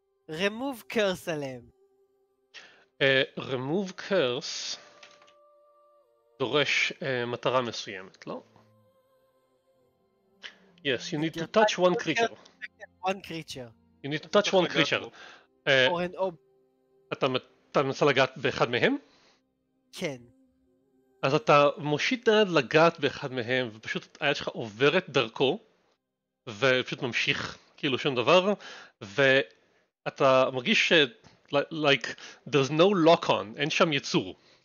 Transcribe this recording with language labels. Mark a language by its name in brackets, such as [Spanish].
[Hebrew] Remove curse עליהם. Remove curse דורש מטרה מסוימת, לא? [English] Yes, you need to touch one creature. One creature. You need to touch one creature. Or an ob. [Hebrew] אתה מנסה לגעת באחד מהם? כן. אז אתה מושיט את היד לגעת באחד מהם, ופשוט היד שלך עוברת דרכו, ופשוט ממשיך כאילו שום דבר, ואתה מרגיש ש... [English] like there's no lock on, [Hebrew] אין שם יצור.